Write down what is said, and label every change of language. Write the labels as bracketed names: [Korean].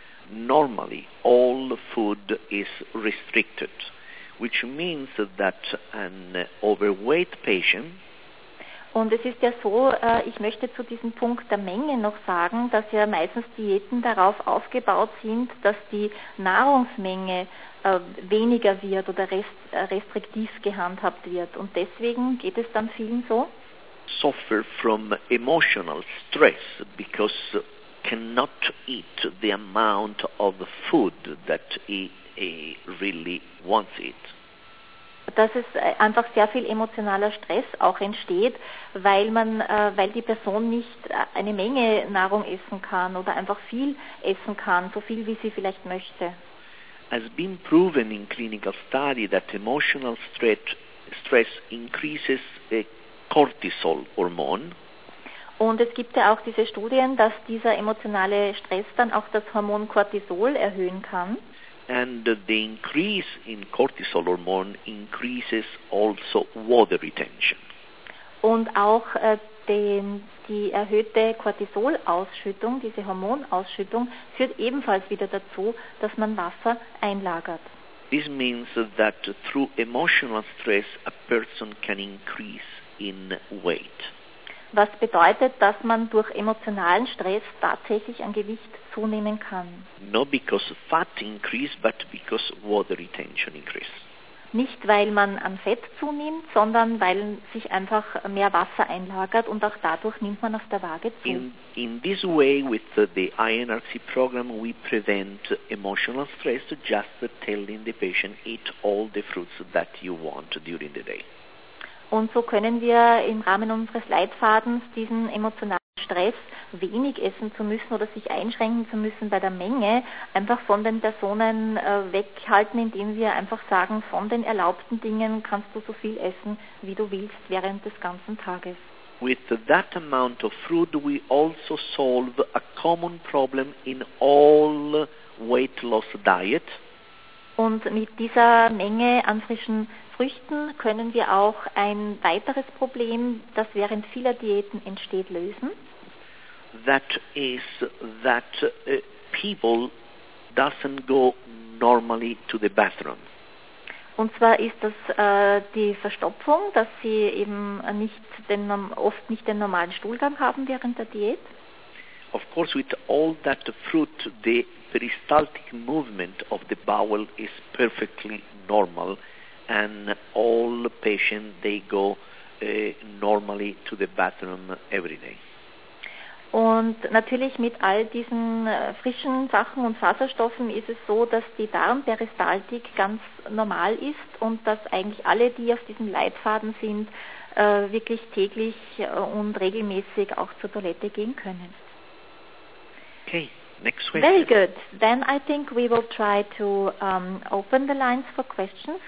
[English] normally all food is restricted, which means that an overweight patient. [German] Und es ist ja so, ich möchte zu diesem Punkt der Menge noch sagen, dass ja meistens Diäten darauf aufgebaut sind, dass die Nahrungsmenge weniger wird oder restriktiv gehandhabt wird. Und deswegen geht es dann vielen so. [English] Suffer from emotional stress because cannot eat the amount of food that he really wants it. [German] Dass es einfach sehr viel emotionaler Stress auch entsteht, weil man, weil die Person nicht eine Menge Nahrung essen kann oder einfach viel essen kann, so viel wie sie vielleicht möchte. [English] Has been proven in clinical study that emotional stress increases the cortisol hormone. [German] Und es gibt ja auch diese Studien, dass dieser emotionale Stress dann auch das Hormon Cortisol erhöhen kann. [English] And the increase in cortisol hormone increases also water retention. [German] Und auch die erhöhte Cortisol-Ausschüttung, diese Hormonausschüttung, führt ebenfalls wieder dazu, dass man Wasser einlagert. [English] This means that through emotional stress a person can increase in weight. [German] Was bedeutet, dass man durch emotionalen Stress tatsächlich an Gewicht zunehmen kann? [English] Not because fat increase, but because water retention increase. [German] Nicht weil man an Fett zunimmt, sondern weil sich einfach mehr Wasser einlagert und auch dadurch nimmt man auf der Waage zu. [English] In this way with the INRC program we prevent emotional stress just telling the patient eat all the fruits that you want during the day. [German] Und so können wir im Rahmen unseres Leitfadens diesen emotionalen Stress, wenig essen zu müssen oder sich einschränken zu müssen bei der Menge, einfach von den Personen weghalten, indem wir einfach sagen, von den erlaubten Dingen kannst du so viel essen, wie du willst während des ganzen Tages. [English] With that amount of fruit we also solve a common problem in all weight loss diet. [German] Und mit dieser Menge an frischen Früchten können wir auch ein weiteres Problem, das während vieler Diäten entsteht, lösen. [English] That is that people doesn't go normally to the bathroom. [German] Und zwar ist das die Verstopfung, dass sie eben oft nicht den normalen Stuhlgang haben während der Diät. [English] Of course with all that fruit the peristaltic movement of the bowel is perfectly normal. And all patients, they go normally to the bathroom every day. [German] Und natürlich mit all diesen frischen Sachen und Faserstoffen ist es so, dass die Darmperistaltik ganz normal ist und dass eigentlich alle, die auf diesem Leitfaden sind, wirklich täglich und regelmäßig auch zur Toilette gehen können. [English] Okay. Next week. Very good. Then I think we will try to open the lines for questions.